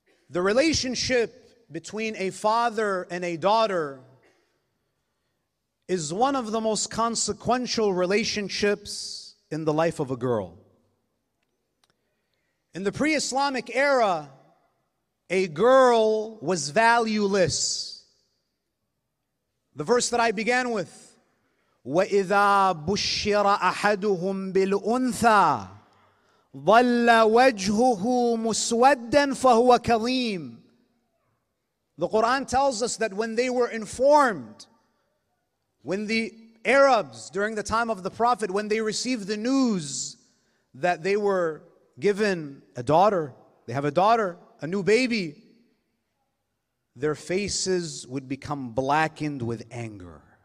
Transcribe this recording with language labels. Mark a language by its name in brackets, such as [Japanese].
[English] The relationship between a father and a daughter is one of the most consequential relationships in the life of a girl. In the pre-Islamic era, a girl was valueless. The verse that I began with, [Arabic] وَإِذَا بُشِّرَ أَحَدُهُمْ بِالْأُنْثَى ظَلَّ وَجْهُهُ مُسْوَدًّا فَهُوَ كَظِيمٌ. [English] The Quran tells us that when they were informed, when the Arabs, during the time of the Prophet, when they received the news that they were given a daughter, they have a daughter, a new baby, their faces would become blackened with anger.